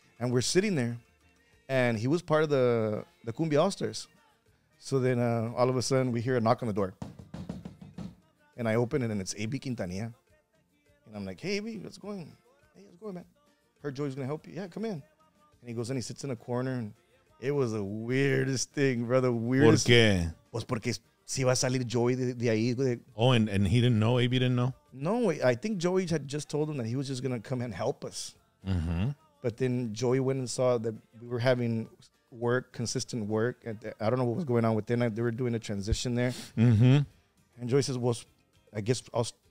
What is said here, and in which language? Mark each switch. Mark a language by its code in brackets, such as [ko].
[en] And we're sitting there, and he was part of the Cumbia All Stars. So then all of a sudden, we hear a knock on the door. And I open it, and it's A.B. Quintanilla. And I'm like, hey, A.B., what's going? Hey, what's going, man? Heard Joey's going to help you. Yeah, come in. And he goes, and he sits in a corner. And it was the weirdest thing, brother. Weirdest. [es] ¿Por qué? Pues porque si va a salir Joey de ahí. [en] Oh, and he didn't know? A.B. didn't know? No, I think Joey had just told him that he was just going to come and help us. Mm-hmm. But then Joey went and saw that we were having work, consistent work. I don't know what was going on with them. They were doing a transition there. Mm-hmm. And Joey says, well, I guess I'll...